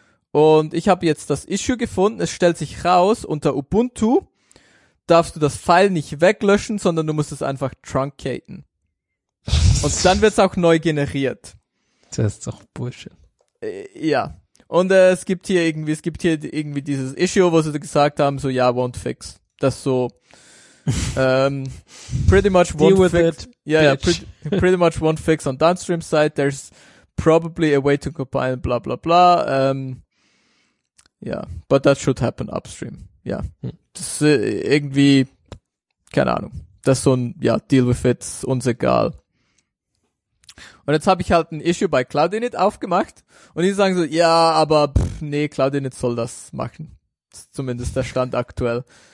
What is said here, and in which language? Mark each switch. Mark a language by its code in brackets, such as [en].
[de] Und ich habe jetzt das Issue gefunden. Es stellt sich raus, unter Ubuntu darfst du das File nicht weglöschen, sondern du musst es einfach truncaten. Und dann wird es auch neu generiert. Das ist doch Bullshit. Ja, und es gibt hier irgendwie dieses Issue, wo sie gesagt haben, so, ja, [en] won't fix. [de] Das so, [en] pretty much won't deal with fix. It, yeah, yeah, pretty much won't fix on downstream side. There's probably a way to compile, blah, blah, blah. Yeah, but that should happen upstream. [de] Ja, yeah. Das irgendwie, keine Ahnung. Das ist so ein, ja, [en] deal with it, [de] uns egal. Und jetzt habe ich halt ein Issue bei Cloud Init aufgemacht und die sagen so, ja, aber nee, Cloud Init soll das machen. Das ist zumindest der Stand aktuell.